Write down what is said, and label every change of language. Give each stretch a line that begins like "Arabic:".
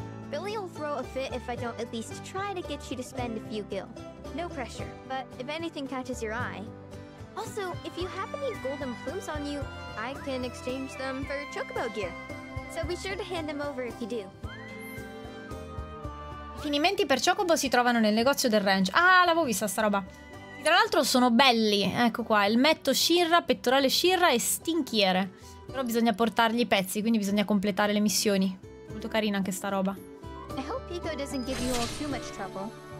English: Billy will throw a fit if I don't at least try to get you to spend a few gil. No pressure, but if anything catches your eye. Also, if you have any golden plumes on you, I can exchange them for chocobo gear. So be sure to hand them over if you do.
Italian: Finimenti per chocobo si trovano nel negozio del ranch. Ah, l'avevo vista sta roba. Tra l'altro sono belli. Ecco qua, il metto Shirra, pettorale Shirra e stinchiere. Però bisogna portargli i pezzi, quindi bisogna completare le missioni. Molto carina anche sta roba.
English: I hope Pico doesn't give you all too much trouble.